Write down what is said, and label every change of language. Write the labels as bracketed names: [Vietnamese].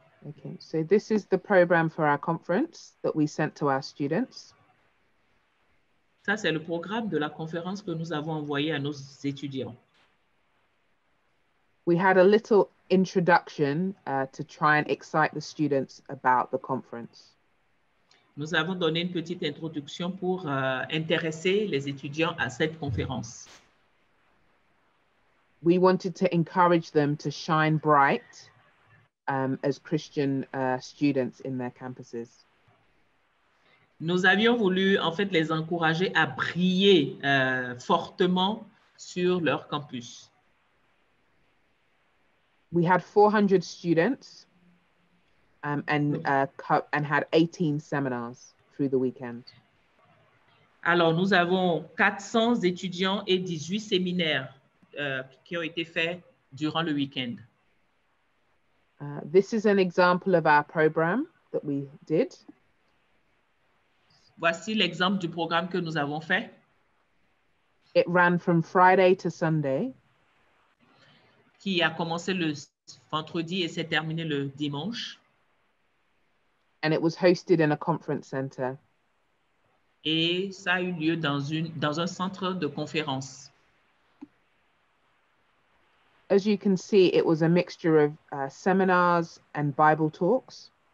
[English] Okay, so this is the program for our conference that we sent to our students. [French] Ça, c'est le programme de la conférence que nous avons envoyé à nos étudiants. [English] We had a little introduction to try and excite the students about the conference. [French] Nous avons donné une petite introduction pour intéresser les étudiants à cette conférence. [English] We wanted to encourage them to shine bright as Christian students in their campuses. [French] Nous avions voulu, en fait, les encourager à briller fortement sur leur campus. [English] We had 400 students and had 18 seminars through the weekend. [French] Alors, nous avons 400 étudiants et 18 séminaires qui ont été faits durant le weekend. [English] This is an example of our program that we did. [French] Voici l'exemple du programme que nous avons fait. [English] It ran from Friday to Sunday. [French] Qui a commencé le vendredi et s'est terminé le dimanche. [English] And it was hosted in a conference center. [French] Et ça a eu lieu dans un centre de conférence. [English] As you can see, it was a mixture of seminars and Bible talks.